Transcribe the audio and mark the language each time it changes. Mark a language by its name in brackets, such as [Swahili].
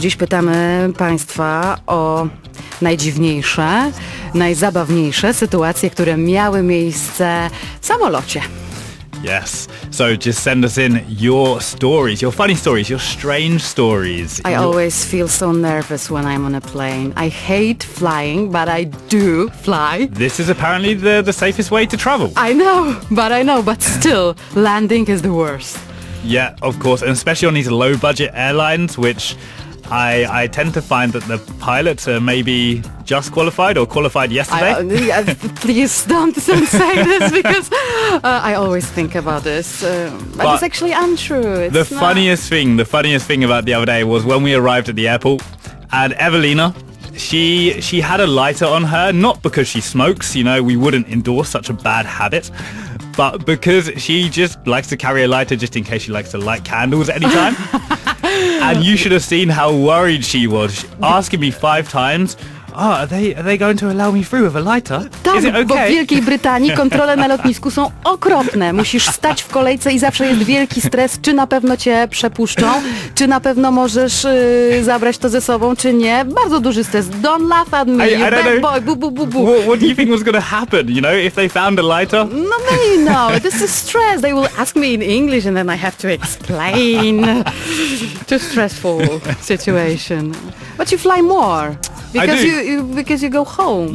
[Polish] Dziś pytamy Państwa o najdziwniejsze, najzabawniejsze sytuacje, które miały miejsce w samolocie. [English] Yes, so just send us in your stories, your funny stories, your strange stories. I always feel so nervous when I'm on a plane. I hate flying, but I do fly. This is apparently the safest way to travel. I know, but still, landing is the worst. Yeah, of course, and especially on these low-budget airlines, which I tend to find that the pilots are maybe just qualified or qualified yesterday. Please don't say this because I always think about this. But it's actually untrue. The funniest thing about the other day was when we arrived at the airport and Evelina, she had a lighter on her, not because she smokes, you know, we wouldn't endorse such a bad habit, but because she just likes to carry a lighter just in case she likes to light candles anytime. And you should have seen how worried she was, asking me 5 times, oh, are they going to allow me through with a lighter? [Polish] Tak, [English] is it okay? [Polish] Bo w Wielkiej Brytanii kontrole na lotnisku są okropne. Musisz stać w kolejce i zawsze jest wielki stres, czy na pewno cię przepuszczą, czy na pewno możesz zabrać to ze sobą, czy nie. Bardzo duży stres. [English] Don't laugh at me, you bad boy, bu, bu, bu, bu. What do you think was going to happen, you know, if they found a lighter? No, maybe no. This is stress. They will ask me in English and then I have to explain. Too stressful situation. But you fly more. Because you go home.